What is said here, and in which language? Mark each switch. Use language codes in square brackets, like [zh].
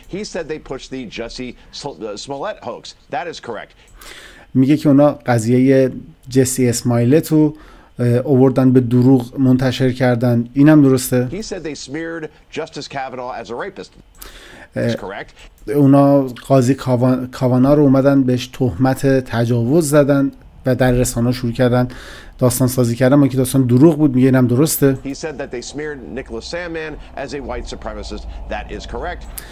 [en] He said they pushed the Jussie Smollett hoax. That is correct. [fa] میگه که اونا قضیه جسی اسمایلت رو آوردن به دروغ منتشر کردن، اینم درسته. [en] He said they smeared Justice Kavanaugh as a rapist. [fa] اونا قاضی کاوانا رو اومدن بهش تهمت تجاوز زدن و در رسانه شروع کردن داستان سازی کردن، ما که داستان دروغ بود، میگه اینم درسته. [en] He said that they smeared Nicholas Sandman as a white supremacist. That is correct.